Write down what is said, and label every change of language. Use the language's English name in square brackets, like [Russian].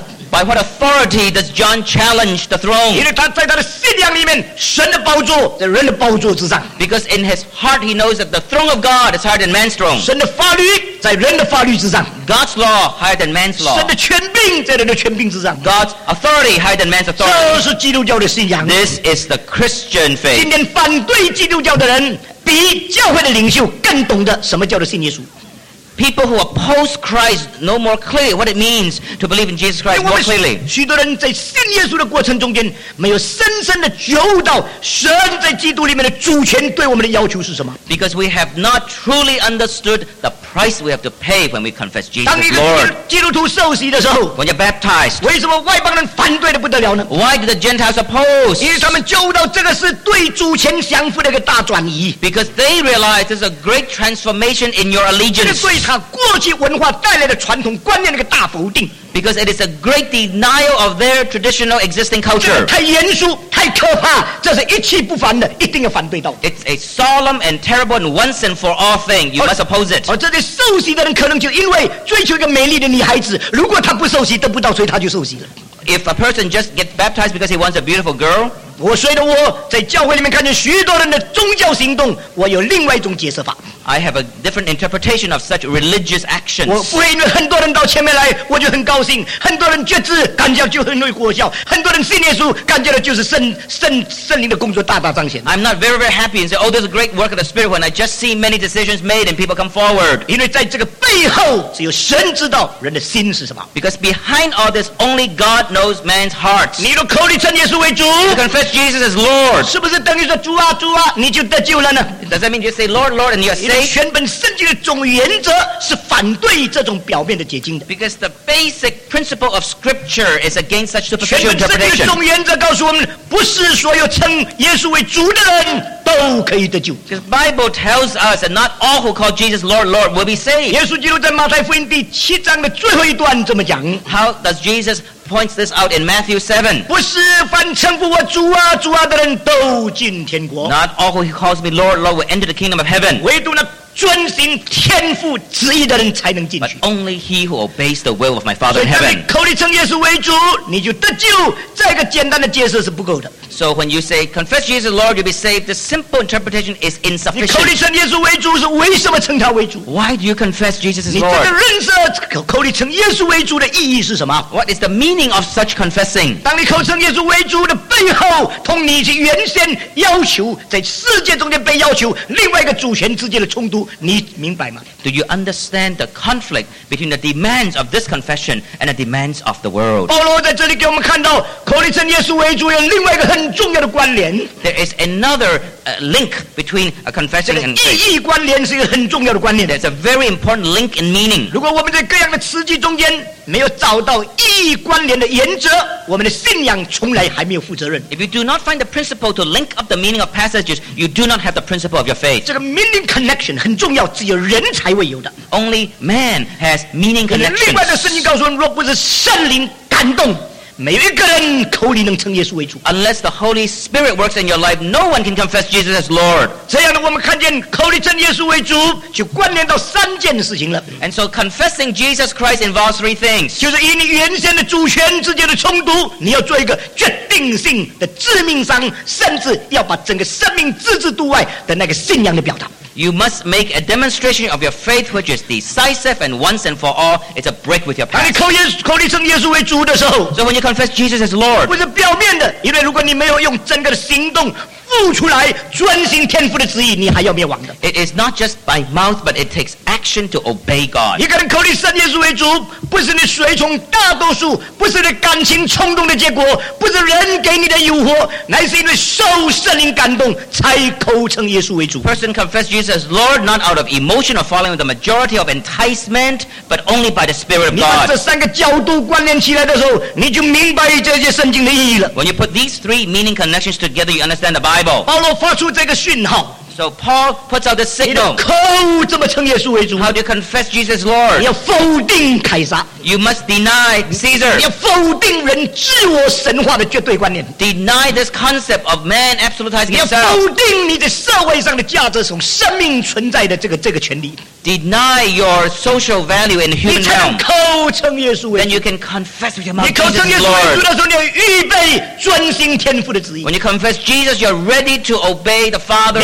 [English] By what authority does John challenge the throne? [Chinese] 因为他在他的信仰里面，神的宝座在人的宝座之上。 [English] Because in his heart he knows that the throne of God is higher than man's throne. [Chinese] 神的法律在人的法律之上。 [English] God's law higher than man's law. [Chinese] 神的权柄在人的权柄之上。 [English] God's authority higher than man's authority. [Chinese] 这是基督教的信仰。 [English] This is the Christian faith. [Chinese] 今天反对基督教的人，比教会的领袖更懂得什么叫做信耶稣。 [English] People who oppose Christ know more clearly what it means to believe in Jesus Christ more clearly. [Chinese] 许多人在信耶稣的过程中间，没有深深的嗅到神在基督里面的主权对我们的要求是什么。 [English] Because we have not truly understood the price we have to pay when we confess Jesus Lord. [Chinese] 当一个基督徒受洗的时候 [English] ，When you're baptized, [Chinese] 为什么外邦人反对的不得了呢 [English] ？Why did the Gentiles oppose? [Chinese] 因为他们嗅到这个是对主权降服的一个大转移。 [English] Because they realize there's a great transformation in your allegiance. [Chinese] 他过去文化带来的传统观念的一个大否定 [English] ，because it is a great denial of their traditional existing culture。 [Chinese] 太严肃，太可怕，这是一去不返的，一定要反对到。 [English] It's a solemn and terrible and once and for all thing. You must oppose it。 [Chinese] 而这些受洗的人可能就因为追求一个美丽的女孩子，如果他不受洗得不到，所以他就受洗了。 [English] If a person just gets baptized because he wants a beautiful girl, [Chinese] 我随着我在教会里面看见许多人的宗教行动，我有另外一种解释法。 [English] I have a different interpretation of such religious actions. [Chinese] 我不会因为很多人到前面来，我就很高兴；很多人觉知，感觉就很有果效；很多人信耶稣，感觉的就是圣灵的工作大大彰显。 [English] I'm not very very happy and say, oh, there's a great work of the Spirit when I just see many decisions made and people come forward. [Chinese] 因为在这个背后，只有神知道人的心是什么。 [English] Because behind all this, only God. Knows man's heart. [Chinese] 你的口里称耶稣为主 [English] you confess Jesus as Lord. [Chinese] 是不是等于说主啊主啊，你就得救了呢？ [English] Does that mean you say Lord, Lord, and you are saved? [Chinese] 因为全本圣经的总原则是反对这种表面的解经的。 [English] Because the basic principle of Scripture is against such superficial interpretation. [Chinese] 全本圣经的总原则告诉我们，不是所有称耶稣为主的人都可以得救。 [English] Because the Bible tells us that not all who call Jesus Lord, Lord will be saved. [Chinese] 耶稣基督在马太福音第七章的最后一段这么讲。 [English] How does Jesus? Points this out in Matthew 7. [Chinese] 不是凡称呼我主啊主啊的人都进天国。 [English] Not all who calls me Lord, Lord will enter the kingdom of heaven. [Chinese] 唯独那遵行天父旨意的人才能进去。 [English] But only he who obeys the will of my Father in heaven. [Chinese] 所以当你口里称耶稣为主，你就得救。这个简单的解释是不够的。 [English] So when you say confess Jesus Lord, you'll be saved. The simple interpretation is insufficient. [Chinese] 你口里称耶稣为主是为什么称他为主 [English] ？Why do you confess Jesus as Lord? [Chinese] 你这个认识口里称耶稣为主的意义是什么 [English] ？What is the meaning of such confessing? [Chinese] 当你口称耶稣为主的背后，同你原先要求在世界中间被要求另外一个主权之间的冲突，你明白吗 [English] ？Do you understand the conflict between the demands of this confession and the demands of the world? [Chinese] 保罗在这里给我们看到口里称耶稣为主有另外一个很。 [English] There is another link between a confession and faith. [Chinese] 这个意义关联是一个很重要的关联。 [English] There's a very important link in meaning. [Chinese] 如果我们在各样的词句中间没有找到意义关联的原则，我们的信仰从来还没有负责任。 [English] If you do not find the principle to link up the meaning of passages, you do not have the principle of your faith. [Chinese] 这个 [English] meaning connection [Chinese] 很重要，只有人才会有的。 [English] Only man has meaning connections. [Chinese] 另外的圣经告诉我们，若不是圣灵感动。没有一个人口里能称耶稣为主。 [English] Unless the Holy Spirit works in your life, no one can confess Jesus as Lord. [Chinese] 这样的我们看见口里称耶稣为主，就关联到三件事情了。 [English] And so confessing Jesus Christ involves three things. [Chinese] 就是以你原先的主权之间的冲突，你要做一个决定性的致命伤，甚至要把整个生命置之度外的那个信仰的表达。 [English] You must make a demonstration of your faith, which is decisive and once and for all. It's a break with your past. [Chinese] 当你口里称耶稣为主的时候 [English] ，So when you confess Jesus as Lord, [Chinese] 不是表面的，因为如果你没有用整个的行动付出来，遵行天父的旨意，你还要灭亡的。 [English] It is not just by mouth, but it takes action to obey God. [Chinese] 一个人口里称耶稣为主，不是你随从大多数，不是你感情冲动的结果，不是人给你的诱惑，乃是因为受圣灵感动才口称耶稣为主。 [English] Person confess Jesus. Jesus, Lord, not out of emotion or following the majority of enticement, but only by the Spirit of God. [Chinese] 你把这三个角度关联起来的时候，你就明白这些圣经的意义了。 [English] When you put these three meaning connections together, you understand the Bible. [Chinese] 保罗发出这个讯号。 [English] So Paul puts out the signal. [Chinese] 口这么称耶稣为主, [English] How do you confess Jesus Lord? [Chinese] 你要否定凯撒, [English] you must deny Caesar. [Chinese] 你要否定人自我神化的绝对观念, [English] deny this concept of man absolutizing himself. [Chinese] 你要否定你的社会上的价值从生命存在的这个权利, [English] deny your social value in human realm. [Chinese] 你才能口称耶稣为主, [English] then you can confess with your mouth Jesus Lord. [Chinese] 你口称耶稣为主的时候你要预备遵行天父的旨意, [English] when you confess Jesus you're ready to obey the Father's will.